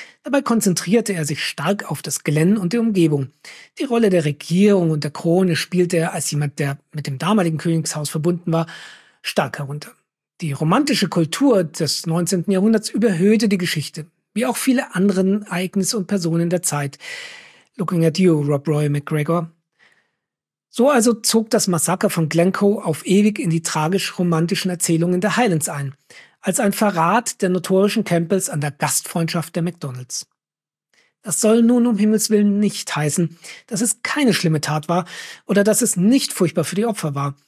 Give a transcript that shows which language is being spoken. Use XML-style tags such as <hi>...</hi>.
<de>Dabei konzentrierte er sich stark auf das Glen und die Umgebung. Die Rolle der Regierung und der Krone spielte er als jemand, der mit dem damaligen Königshaus verbunden war, stark herunter. Die romantische Kultur des 19. Jahrhunderts überhöhte die Geschichte, wie auch viele anderen Ereignisse und Personen der Zeit.</de> <en>Looking at you, Rob Roy MacGregor.</en> <de>So also zog das Massaker von Glencoe auf ewig in die tragisch-romantischen Erzählungen der Highlands ein, als ein Verrat der notorischen Campbells an der Gastfreundschaft der MacDonalds. Das soll nun um Himmels Willen nicht heißen, dass es keine schlimme Tat war oder dass es nicht furchtbar für die Opfer war.</de>